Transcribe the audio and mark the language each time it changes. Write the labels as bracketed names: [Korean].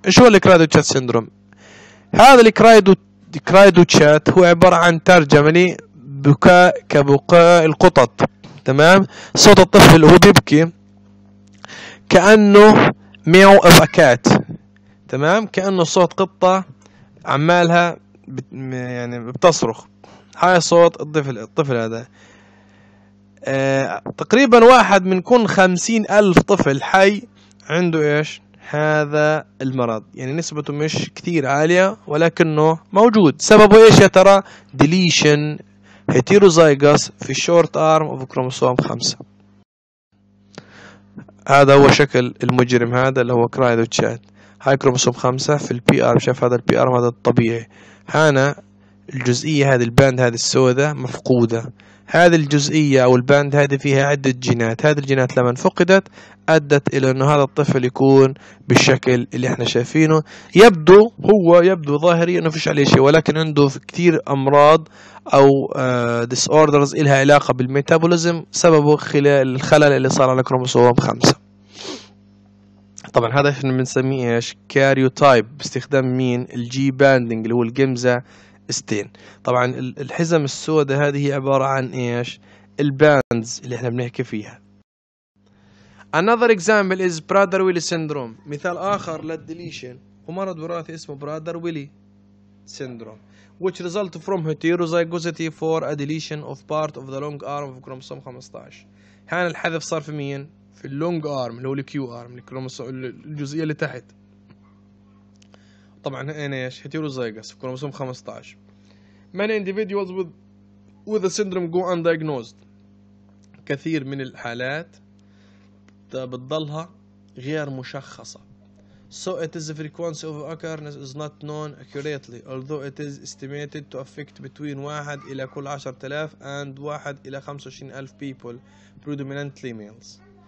[Arabic] ايش هو الكرايدوتشات سيندروم؟ هذا الكرايدوتشات هو عبارة عن ترجمة لبكاء كبكاء القطط، تمام؟ صوت الطفل هو بيبكي كأنه [English] meow of a cat, [Arabic] تمام؟ كأنه صوت قطة عمالها يعني بتصرخ، هاي صوت الطفل هذا. تقريبا واحد من كل 50,000 طفل حي عنده ايش؟ هذا المرض، يعني نسبته مش كثير عالية ولكنه موجود. سببه ايش يا ترى؟ [English] deletion heterozygous [Arabic] في [English] short arm of chromosome 5. [Arabic] هذا هو شكل المجرم هذا اللي هو كرايدوتشات. هاي كروموسوم 5 في البي ار، شاف هذا البي ار هذا الطبيعي، هنا الجزئية هذه الباند هذه السوداء مفقودة، هذه الجزئية أو الباند هذه فيها عدة جينات، هذه الجينات لما فقدت أدت إلى أنه هذا الطفل يكون بالشكل اللي احنا شايفينه. يبدو هو يبدو ظاهري أنه فيش عليه شيء، ولكن عنده كثير أمراض أو disorders إلها علاقة بالميتابوليزم، سببه خلال الخلل اللي صار على كروموسوم 5. طبعا هذا احنا بنسميه ايش؟ كاريوتايب، باستخدام مين؟ الجي باندنج اللي هو الجمزة ستين. طبعا الحزم السوداء هذه هي عبارة عن ايش؟ الباندز اللي احنا بنحكي فيها. [English] Another example is Prader-Willi syndrome. [Arabic] مثال اخر للديليشن هو مرض وراثي اسمه [English] Prader-Willi syndrome which result from heterozygosity for a deletion of part of the long arm of chromosome 15. [Arabic] هان الحذف صار في مين؟ في اللونج arm اللي هو الكيو arm الجزئية اللي تحت. طبعا هنا ايش؟ هيتيروزايغس في كروموسوم 15. [English] Many individuals with the syndrome go undiagnosed. [Arabic] كثير من الحالات بتضلها غير مشخصة. [English] So it is the frequency of occurrence is not known accurately, although it is estimated to affect between 1 [Arabic] إلى كل [English] 10,000 and 1 [Arabic] إلى [English] 25,000 people, predominantly males.